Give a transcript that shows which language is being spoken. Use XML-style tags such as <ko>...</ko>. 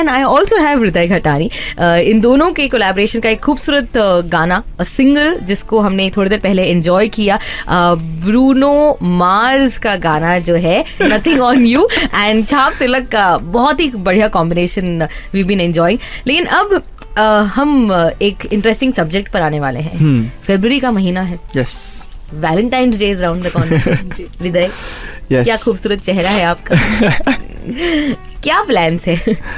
<en>and I also have</en> <hi>हृदय घटानी, इन दोनों के कोलैबोरेशन का एक खूबसूरत गाना, अ सिंगल जिसको हमने थोड़ी देर पहले इंजॉय किया, ब्रूनो मार्स का गाना जो है नथिंग on you and छाप तिलक का, बहुत ही बढ़िया combination</hi> <en>we've been enjoying।</en> <hi>लेकिन अब हम एक interesting subject पर आने वाले हैं। February का महीना है,</hi> <en>yes, Valentine's Day is round the corner। हृदय, yes,</en> <hi>क्या खूबसूरत चेहरा है आपका। क्या plans है?</hi>